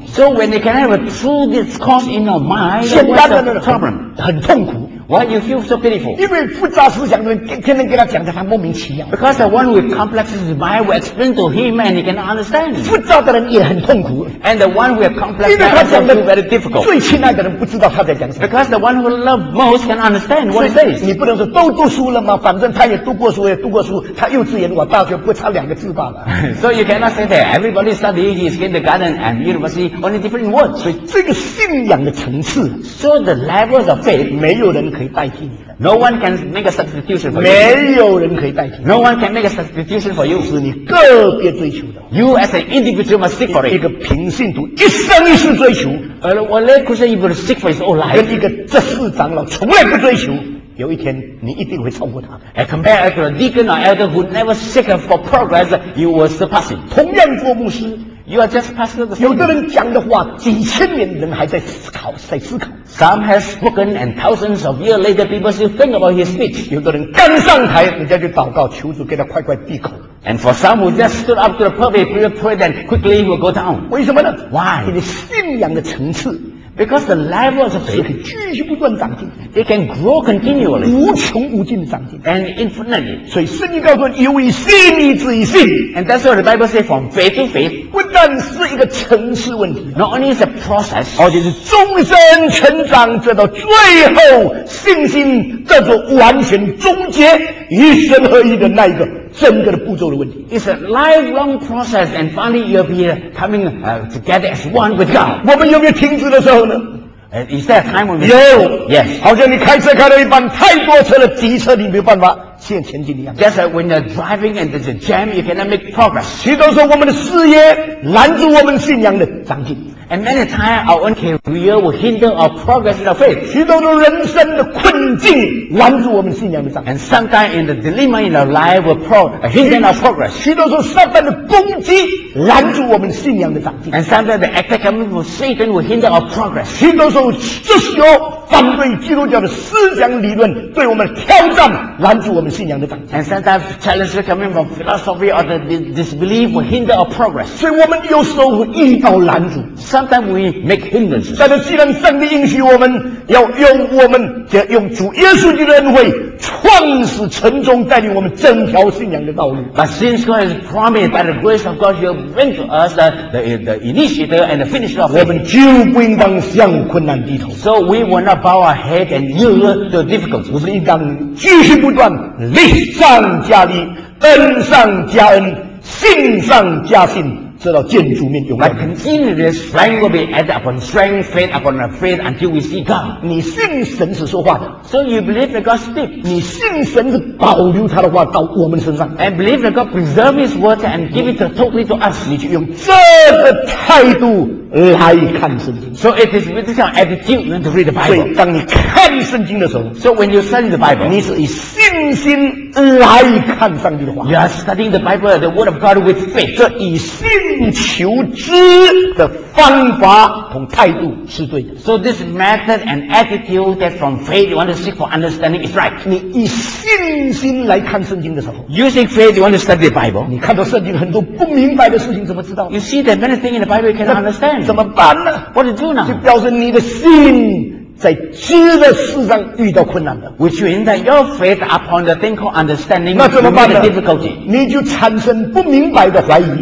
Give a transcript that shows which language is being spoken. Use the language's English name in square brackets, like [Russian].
[English] So when you can have a true discourse in your mind, what's the problem? [Chinese] 很痛苦。 [English] Why you feel so pitiful? [Chinese] 因为复杂思想的人天天跟他讲的，他莫名其妙。 [English] Because the one with complex mind will explain to him and he cannot understand. [Chinese] 复杂的人也很痛苦。 [English] And the one with complex mind will feel very difficult. [Chinese] 最亲爱的人不知道他在讲什么。 [English] Because the one who love most can understand what he says. [Chinese] 你不能说都读书了吗？反正他也读过书，也读过书。他幼稚园，我大学，不差两个字罢了。 [English] So you cannot say that everybody studying is kindergarten and university only different words. [Chinese] 所以这个信仰的层次 [English] ，So the levels of faith, [Chinese] 没有人可以。 [English] No one can make a substitution for [Chinese] 没有人可以代替。 [English] No one can make a substitution for you. [Chinese] 是你个别追求的。 [English] You as an individual must seek for it. [Chinese] 一个平信徒一生一世追求。 [English] A lay Christian will seek for his own life. [Chinese] 跟一个执事长老从来不追求。有一天你一定会超过他。 [English] And compare to a deacon or elder who never seek for progress, you will surpass him. [Chinese] 同样做牧师。 [English] You are just pastor the same. [Chinese] 有的人讲的话，几千年人还在思考，在思考。 [English] Some has spoken, and thousands of years later, people still think about his speech. [Chinese] 有的人刚上台，人家就祷告，求主给他快快闭口。 [English] And for some who just stood up to the pulpit, prayer, prayer, and quickly will go down. [Chinese] 为什么呢 [English] ？Why？ [Chinese] 你的信仰的层次。 [English] Because the level of faith [Chinese] can 继续不断长进 [English] ，it can grow continually， [Chinese] 无穷无尽的长进 [English] ，and infinitely。 [Chinese] 所以圣经告诉你，由以信，以至以信 [English] ，and that's what the Bible says from faith to faith。 [Chinese] 不但是一个层次问题 [English] ，not only is a process， [Chinese] 而且是终身成长，直到最后信心这座完全终结一生合一的那一个。整个的步骤的问题 [English] It's a lifelong process and finally you'll be coming together as one with God [Chinese] 我们有没有停止的时候呢 [English] Is there a time when we [Chinese] 有 [English] Yes [Chinese] 好像你开车开到一半太多车了急车你没有办法向前进一样 [English] That's like when you're driving and there's a jam you cannot make progress [Chinese] 许多时候我们的事业拦住我们信仰的长进 [English] And many times our own career will hinder our progress in our faith [Chinese] 许多的人生的困境拦住我们信仰的长进 [English] And sometimes in the dilemma in our life will hinder our progress [Chinese] 许多时候撒旦的攻击拦住我们信仰的长进 [English] And sometimes the attack of Satan will hinder our progress [Chinese] 许多时候这时候反对基督教的思想理论对我们挑战拦住我们信仰的长进 [English] And sometimes challenges coming from philosophy or the disbelief will hinder our progress [Chinese] 所以我们有时候遇到拦阻 [English] Sometimes we make hindrances [Chinese] 但是既然上帝允许我们要用我们要用主耶稣基督的恩惠创始成终带领我们整条信仰的道路 [English] But since God has promised by the grace of God He'll bring to us the initiator and the finisher of faith [Chinese] 我们就不应当向困难低头 [English] So we will not bow our head and yield to difficulty [Chinese] 我们应当继续不断力上加力恩上加恩信上加信直到建筑面永 [English] 远 continuous strength will be added upon strength faith upon faith until we see God [Chinese] 你信神是说话的 [English] so you believe that God speaks [Chinese] 你信神是保留他的话到我们身上 [English] and believe that God preserves his words and give it totally to us [Chinese] 你就用这个态度来看圣经 [English] so it is with this kind of attitude to read the Bible [Chinese] 所以当你看圣经的时候 [English] so when you study the Bible [Chinese] 你是以信心来看上帝的话 [English] you are studying the Bible the word of God with faith [Chinese] 这以信信求知的方法和态度是对的。 [English] So this method and attitude that from faith you want to seek for understanding is right. [Chinese] 你以信心来看圣经的时候 [English] ，using faith you want to study the Bible. [Chinese] 你看到圣经很多不明白的事情，怎么知道 [English] ？You see that many things in the Bible you cannot understand. [Chinese] 怎么办呢 [English] ？What to do now? [Chinese] 就表示你的信在知的事上遇到困难的。 [English] Which means that your faith upon the thing called understanding is a difficulty. [Chinese] 你就产生不明白的怀疑。